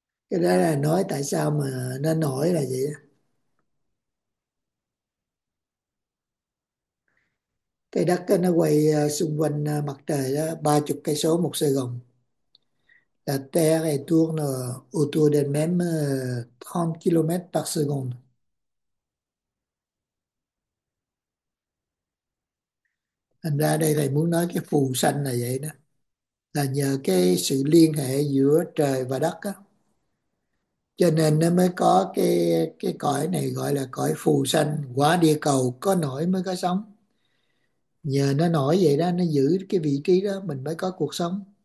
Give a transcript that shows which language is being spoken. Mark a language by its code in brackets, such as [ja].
[vi] Cái đó là nói tại sao mà nó nổi là vậy đó. Cái đất nó quay xung quanh mặt trời đó 30 cây số một Sài Gòn. [fr] La Terre tourne autour d'elle-même 30 km par seconde. [vi] Thành ra đây thầy muốn nói cái phù sanh là vậy đó. Là nhờ cái sự liên hệ giữa trời và đất đó, cho nên nó mới có cái cõi này gọi là cõi phù sanh. Quả địa cầu có nổi mới có sống. Nhờ nó nổi vậy đó, nó giữ cái vị trí đó mình mới có cuộc sống.